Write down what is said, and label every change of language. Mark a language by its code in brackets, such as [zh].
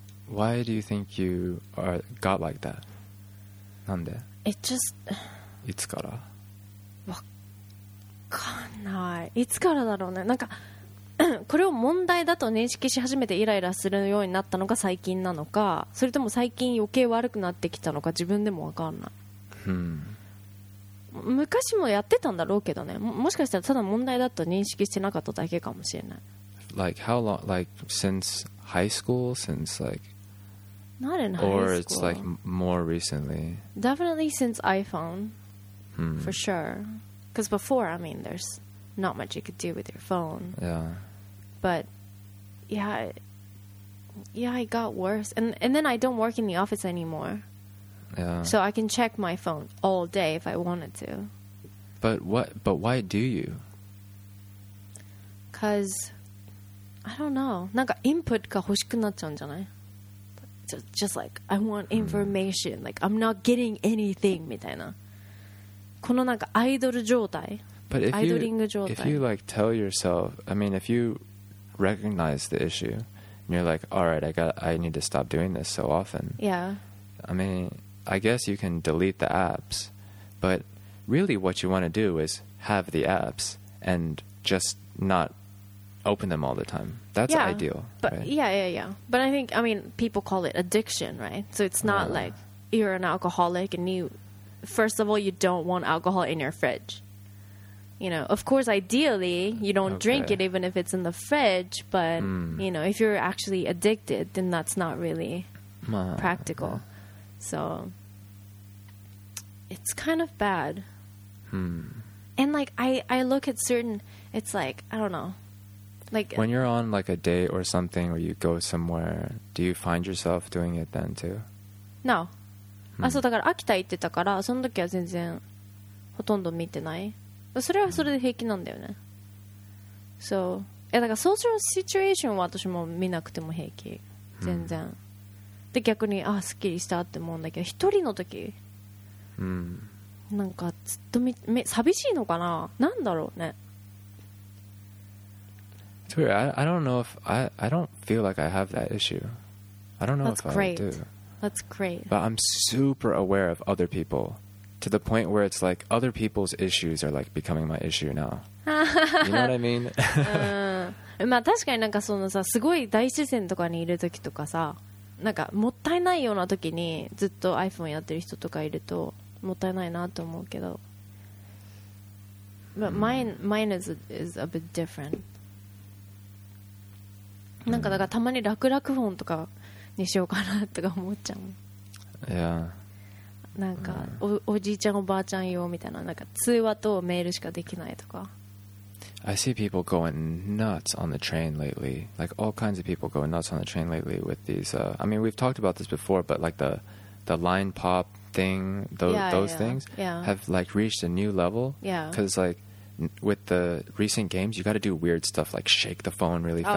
[en] why do you think you are got like that [ja] なんで [en] it just [ja] いつからわかんないいつからだろうねなんかこれを問題だと認識し始めてイライラするようになったのが最近なのかそれとも最近余計悪くなってきたのか自分でも分かんない、昔もやってたんだろうけどね もしかしたらただ問題だと認識してなかっただけかもしれない [en] Like how long Like since high school Since like Not in high school Or it's like more recently Definitely since iPhone For sure Because before I mean there'sNot much you could do with your phone. Yeah. But, yeah, it got worse. And then I don't work in the office anymore. Yeah. So I can check my phone all day if I wanted to. But why do you? Because, I don't know. [ja] なんかインプットが欲しくなっちゃうんじゃない? [en] Just like, I want information. Like, I'm not getting anything, [ja] みたいな。このなんかアイドル状態。 [en] But if you like tell yourself, I mean, if you recognize the issue and you're like, all right, I need to stop doing this so often. Yeah. I mean, I guess you can delete the apps, but really what you want to do is have the apps and just not open them all the time. That's ideal. But right? Yeah. But I think, I mean, people call it addiction, right? So it's not like you're an alcoholic and you, first of all, you don't want alcohol in your fridge. You know, of course, ideally, you don't drink it even if it's in the fridge. But, you know, if you're actually addicted, then that's not really practical. So, it's kind of bad. And, like, I look at certain, it's like, I don't know. Like, when you're on, like, a date or something or you go somewhere, do you find yourself doing it then, too? No. [ja] So, だから秋田行ってたから、その時は全然ほとんど見てない。それはそれで平気なんだよね。そう。いや、だから、ソーシャルシチュエーションは私も見なくても平気。全然。で逆にあすっきりしたって思うんだけど、一人の時、うん、なんかずっとめ寂しいのかな、なんだろうね。 [en] It's weird. I don't know if I don't feel like I have that issue. I don't know、 That's、 if、 great. I do. That's great. But I'm super aware of other people to the point where it's like other people's issues are like becoming my issue now. You know what I mean? [ja] うん、まあ確かになんかそのさすごい大自然とかにいる時とかさ、なんかもったいないような時にずっと iPhone やってる人とかいるともったいないなと思うけど、 [en] But mine、mm. mine is a bit different. [ja] なんかだからたまに楽楽本とかにしようかなとか思っちゃう。 [en] Yeah. [ja] なんか、mm. おじいちゃんおばあちゃん用みたいな、なんか通話とメールしかできないとか。 [en] I see people going nuts on the train lately. Like all kinds of people going nuts on the train lately with these. I mean, we've talked about this before, but like the line pop thing, those things have like reached a new level. Yeah. Because like with the recent games, you got to do weird stuff like shake the phone really fast.